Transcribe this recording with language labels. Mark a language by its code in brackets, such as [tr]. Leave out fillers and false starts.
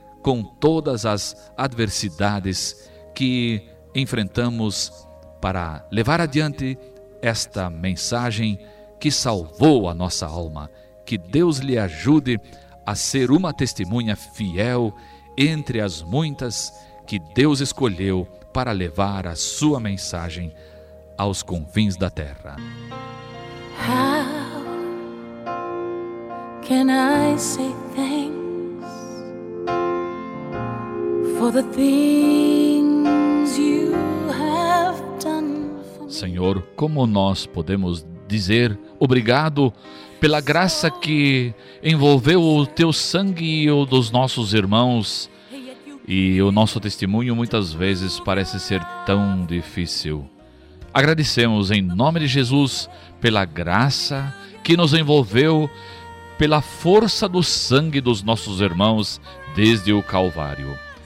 [pt] com todas as adversidades que enfrentamos para levar adiante esta mensagem que salvou a nossa alma. Que Deus lhe ajude a ser uma testemunha fiel entre as muitas que Deus escolheu para levar a sua mensagem aos confins da terra. [en] How can I say thanks for the things you have done for me? [pt] Senhor, como nós podemos dizer obrigado pela graça que envolveu o teu sangue e o dos nossos irmãos, e o nosso testemunho muitas vezes parece ser tão difícil. Agradecemos em nome de Jesus pela graça que nos envolveu, pela força do sangue dos nossos irmãos desde o Calvário.